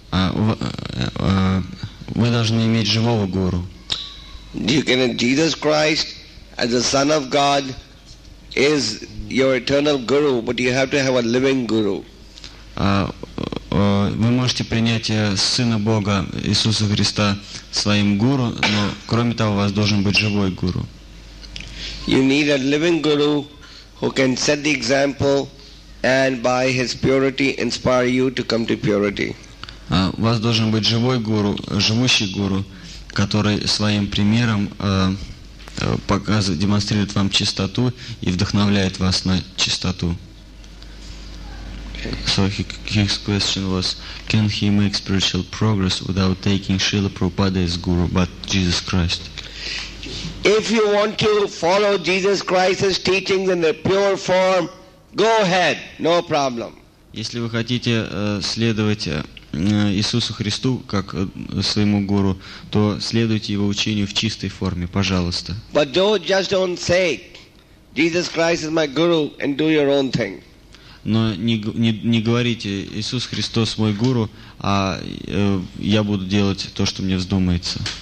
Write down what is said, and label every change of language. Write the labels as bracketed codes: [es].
[ru] Вы должны иметь живого гуру. [en] You can have Jesus Christ as the Son of God is your eternal guru, but you have to have a living guru. [ru] Вы можете принять Сына Бога Иисуса Христа своим гуру, но кроме того, у вас должен быть живой гуру. [en] You need a living guru who can set the example and by his purity inspire you to come to purity. [ru] У вас должен быть живой гуру, живущий гуру, который своим примером показывает, демонстрирует вам чистоту и вдохновляет вас на чистоту. [en] So his question was, can he make spiritual progress without taking Srila Prabhupada as guru, but Jesus Christ? If you want to follow Jesus Christ's teachings in their pure form, go ahead, no problem. [ru] Если вы хотите следовать Иисусу Христу как своему гуру, то следуйте его учению в чистой форме, пожалуйста. [en] But don't say, Jesus Christ is my guru, and do your own thing. [ru] Но не говорите, Иисус Христос мой гуру, а я буду делать то, что мне вздумается.